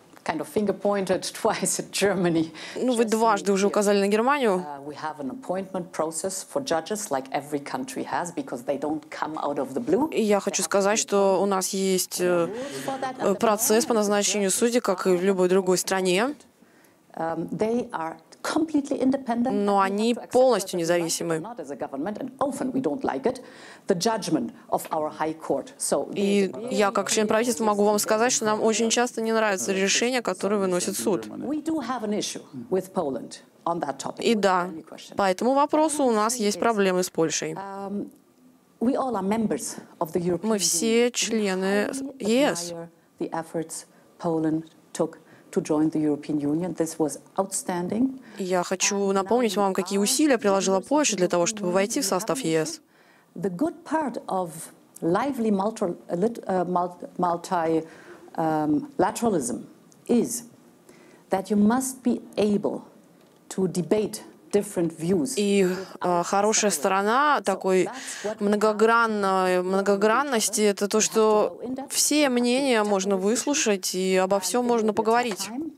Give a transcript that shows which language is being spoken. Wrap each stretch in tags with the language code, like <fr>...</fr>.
<ru>Ну, вы дважды уже указали на Германию.</ru> <en>We have an appointment process for judges, like every country has, because they don't come out of the blue.</en> <ru>И я хочу сказать, что у нас есть процесс по назначению судей, как и в любой другой стране.</ru> <en>They are completely independent.</en> <ru>Но они полностью независимы.</ru> <en>Not as a government, and often we don't like it. The judgment of our high court. So.</en> <ru>И я как член правительства могу вам сказать, что нам очень часто не нравятся решения, которые выносит суд.</ru> <en>We do have an issue with Poland on that topic.</en> <ru>И да, по этому вопросу у нас есть проблемы с Польшей.</ru> <en>We all are members of the European.</en> <ru>Мы все члены ЕС.</ru> <en>The efforts Poland took to join the European Union. This was outstanding.</en> <ru>Я хочу напомнить вам, какие усилия приложила Польша для того, чтобы войти в состав ЕС.</ru> <en>The good part of lively multi lateralism is that you must be able to debate different views.</en> <ru>И хорошая сторона такой многогранности — это то, что все мнения можно выслушать и обо всем можно поговорить.</ru>